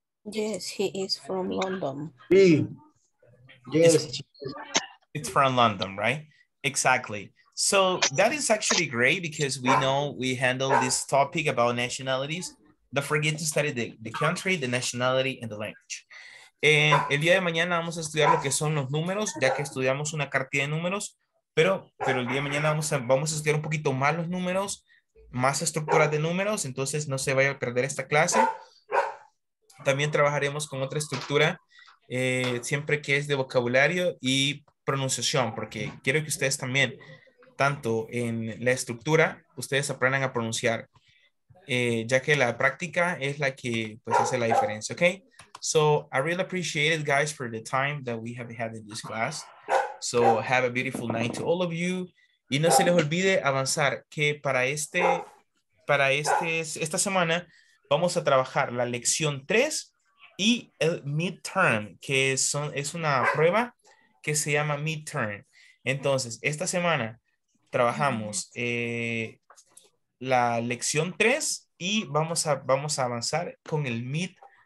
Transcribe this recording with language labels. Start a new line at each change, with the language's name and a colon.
English: Yes, he is from London. Yes. It's from London, right? Exactly. So that is actually great because we know we handle this topic about nationalities. Don't forget to study the country, the nationality, and the language.
Spanish: El día de mañana vamos a estudiar lo que son los números, ya que estudiamos una cartilla de números, pero el día de mañana vamos a estudiar un poquito más los números, más estructuras de números, entonces no se vaya a perder esta clase. También trabajaremos con otra estructura, siempre que es de vocabulario y pronunciación, porque quiero que ustedes también, tanto en la estructura, ustedes aprendan a pronunciar, ya que la práctica es la que pues, hace la diferencia, ¿ok?
English: So I really appreciate it, guys, for the time that we have had in this class. So have a beautiful night to all of you.
Spanish: Y no se les olvide avanzar que esta semana vamos a trabajar la lección 3 y el midterm, que es una prueba que se llama midterm. Entonces, esta semana trabajamos la lección 3 y vamos a avanzar con el midterm.